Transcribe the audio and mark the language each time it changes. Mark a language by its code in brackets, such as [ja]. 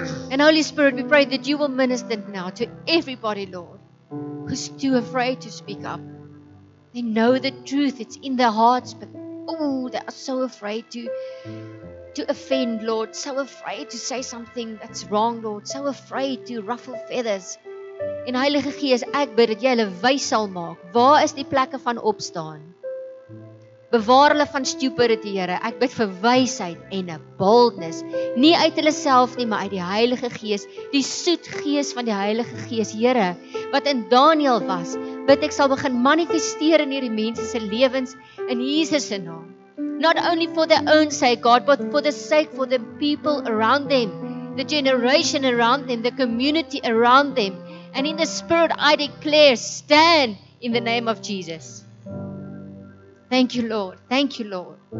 [en] And Holy Spirit, we pray that You will minister now to everybody, Lord, who's too afraid to speak up. They know the truth. It's in their hearts. But, they are so afraid to offend, Lord, so afraid to say something that's wrong, Lord, so afraid to ruffle feathers. [af] En Heilige Gees, ek bid dat Jy hulle wys sal maak. Waar is die plekke van opstaan? Bewaar hulle van stupidity, Here. Ek bid vir wysheid en 'n boldness, nie uit hulle self nie, maar uit die Heilige Gees, die soet Gees van die Heilige Gees, Here, wat in Daniël was. Bid ek sal begin manifesteer in hierdie mense se lewens in Jesus se naam. [en] Not only for their own sake, God, but for the sake for the people around them, the generation around them, the community around them. And in the Spirit, I declare, stand in the name of Jesus. Thank You, Lord. Thank You, Lord.